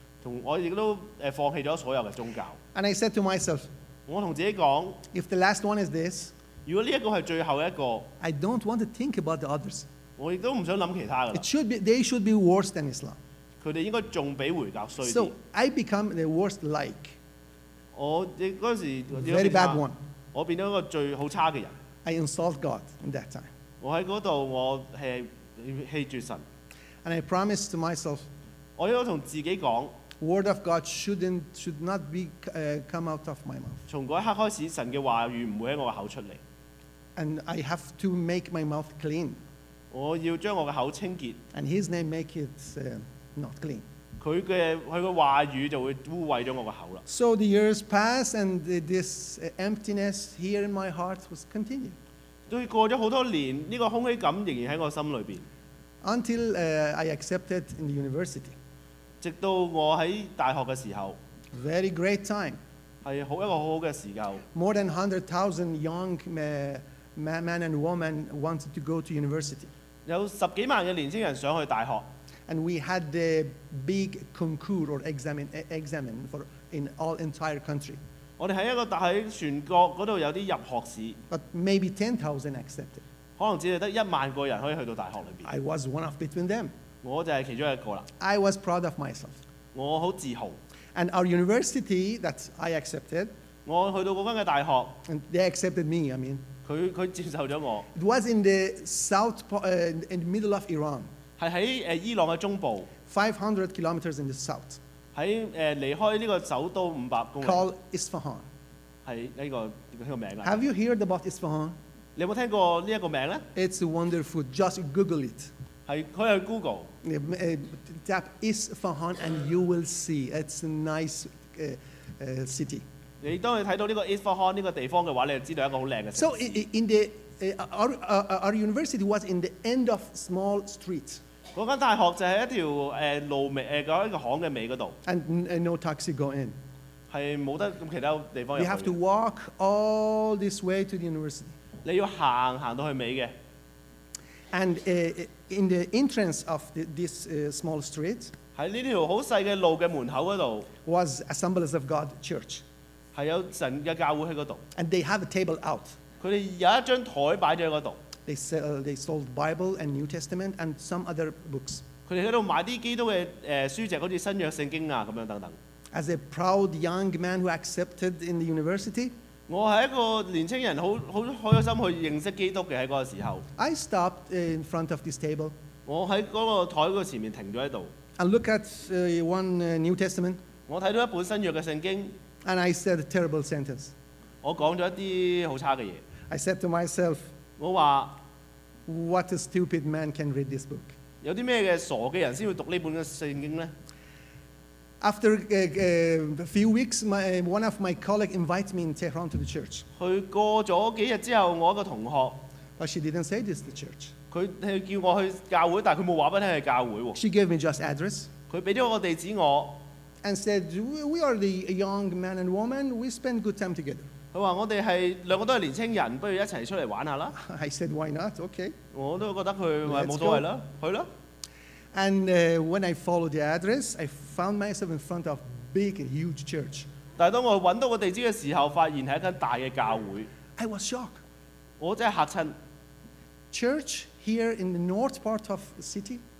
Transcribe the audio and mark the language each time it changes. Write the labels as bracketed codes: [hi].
[yue] 同我亦都放棄咗所有嘅宗教。 [en] And I said to myself。 [yue] 我同自己講。 [en] If the last one is this。 [yue] 如果呢一個係最後一個。 [en] I don't want to think about the others。 [yue] 我亦都唔想諗其他嘅。 [en] It should be they should be worse than Islam。 [yue] 佢哋應該仲比回教衰啲。 [en] So I become the worst like。 [yue] 我嗰陣時。 [en] Very bad one。 [yue] 我變咗一個最好差嘅人。 [en] I insult God in that time。 [yue] 我喺嗰度，我係棄絕神。 [en] And I promised to myself, [yue] 我要同自己講, [en] Word of God should not be come out of my mouth. [yue] 從嗰一刻開始，神嘅話語唔會喺我嘅口出嚟。 [en] And I have to make my mouth clean. 我要將我嘅口清潔。 And His name make it not clean. So the years passed, and this emptiness here in my heart was continued. [yue] 都過咗好多年，呢個空虛感仍然喺我心裏邊。 [en] Until I accepted in the university. [yue] 直到我喺大學嘅時候。 [en] Very great time. [yue] 係好一個好好嘅時候。 [en] More than 100,000 young men and women wanted to go to university. [yue] 有十幾萬嘅年輕人想去大學。 [en] And we had the big concours or exam for in all entire country. [yue] 我哋喺一個大喺全國嗰度有啲入學試。 [en] But maybe 10,000 accepted. [yue] 可能只係得一萬個人可以去到大學裏邊。 [en] I was one of between them. [yue] 我就係其中一個啦。 [en] I was proud of myself. [yue] 我好自豪。 [en] And our university that I accepted. [yue] 我去到嗰間嘅大學。 [en] And they accepted me. I mean. [yue] 佢接受咗我。 [en] It was in the south, in the middle of Iran. [yue] 係喺伊朗嘅中部 [en] 500 kilometers in the south [yue] 喺離開呢個首都500公里 [en] called Isfahan [yue] 係呢個名啦 [en] Have you heard about Isfahan [yue] 你有冇聽過呢一個名咧 [en] It's wonderful just Google it [yue] 係佢係 Google [en] tap Isfahan and you will see it's a nice city [yue] 你當你睇到呢個 Isfahan 呢個地方嘅話你就知道一個好靚嘅 [en] So in theOur university was in the end of small street. [yue] 嗰間大學就係一條路尾嗰一個巷嘅尾嗰度。 [en] And no taxi go in. [yue] 係冇得咁其他地方。 [en] You have to walk all this way to the university. [yue] 你要行到去尾嘅。 [en] And in the entrance of this small street. [yue] 喺呢條好細嘅路嘅門口嗰度。 [en] Was Assemblies of God Church. [yue] 係有神嘅教會喺嗰度。 [en] And they have a table out. [yue] 佢哋有一張台擺咗喺嗰度。 [en] They sold Bible and New Testament and some other books。 [yue] 佢哋喺度賣啲基督嘅書籍，好似新約聖經啊咁樣等等。 [en] As a proud young man who accepted in the university， [yue] 我係一個年青人，好開心去認識基督嘅喺嗰個時候。 [en] I stopped in front of this table。 [yue] 我喺嗰個台嗰前面停咗喺度。 [en] And look at one New Testament。 [yue] 我睇到一本新約嘅聖經。 [en] And I said a terrible sentence。 [yue] 我講咗一啲好差嘅嘢。 [en] I said to myself， [yue] 我話 [en] ，What a stupid man can read this book？ [yue] 有啲咩嘅傻嘅人先會讀呢本嘅聖經咧 [en] ？After a few weeks， one of my colleague invites me in Tehran to the church。 [yue] 佢過咗幾日之後，我一個同學 [en] ，But she didn't say this to the church。 [yue] 佢叫我去教會，但係佢冇話俾我聽係教會喎。 [en] She gave me just address。 [yue] 佢俾咗個地址我 [en] ，And said we are the young man and woman. We spend good time together。 [yue] 佢話：我哋係兩個都係年青人，不如一齊出嚟玩下啦。 [en] I said why not? Okay。 [yue] 我都覺得佢咪冇所謂啦，去啦。 [en] And when I followed the address, I found myself in front of big and huge church。 [yue] 但係當我揾到個地址嘅時候，發現係一間大嘅教會。 [en] I was shocked。 [yue] 我真係嚇親。 [en] Church here in the north part of the city。